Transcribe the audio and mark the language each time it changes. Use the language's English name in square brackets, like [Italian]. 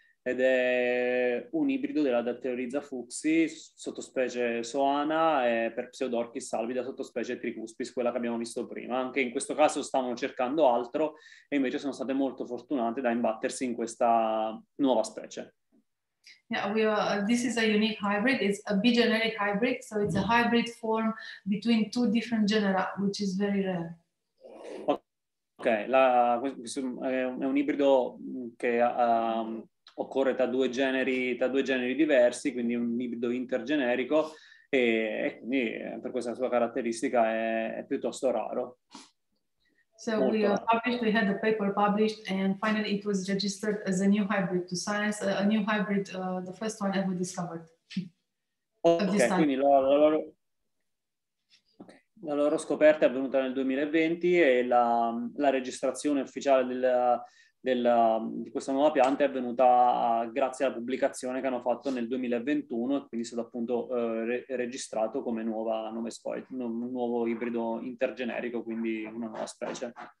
[Italian] ed è un ibrido della Dattyloriza fuxi, sottospecie Soana, e per Pseudorchis alvida, sottospecie Tricuspis, quella che abbiamo visto prima. Anche in questo caso stavano cercando altro e invece sono state molto fortunate da imbattersi in questa nuova specie. [English] Yeah, we are, this is a unique hybrid. It's a bigenetic hybrid, so it's a hybrid form between two different genera, which is very rare. [Italian] Ok, è un ibrido che occorre tra due generi diversi, quindi un ibrido intergenerico, e quindi per questa sua caratteristica è piuttosto raro. [English] So we published, we had the paper published, and finally it was registered as a new hybrid to science, a new hybrid, the first one ever discovered. [Italian] Ok, quindi la loro scoperta è avvenuta nel 2020 e la registrazione ufficiale di questa nuova pianta è avvenuta grazie alla pubblicazione che hanno fatto nel 2021, e quindi è stato appunto registrato come un nuovo ibrido intergenerico, quindi una nuova specie.